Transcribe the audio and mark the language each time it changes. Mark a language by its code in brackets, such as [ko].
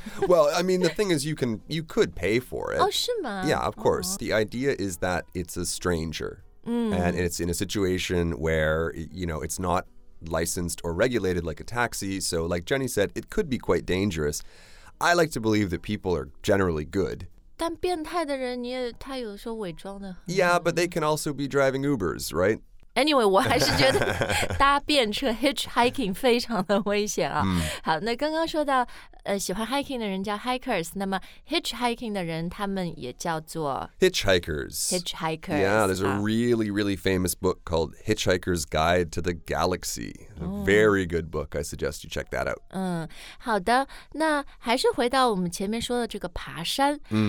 [en] Well, I mean, the thing is you could pay for it. [zh] 哦，是吗？ [en] Yeah, of course. The idea is that it's a stranger. And it's in a situation where, you know, it's not,licensed or regulated like a taxi, so like Jenny said, it could be quite dangerous. I like to believe that people are generally good. [zh] 但变态的人你也他有的时候伪装的。 [en] Yeah, but they can also be driving Ubers, right? Anyway, [zh] 我还是觉得搭便车 hitchhiking 非常的危险啊。好，那刚刚说到喜欢 hiking 的人叫 hikers, 那么 hitchhiking 的人他们也叫做 [en] hitchhikers. Hitchhikers. Yeah, there's a really, really famous book called Hitchhiker's Guide to the Galaxy. Very good book. I suggest you check that out. [zh] 好的，那还是回到我们前面说的这个爬山。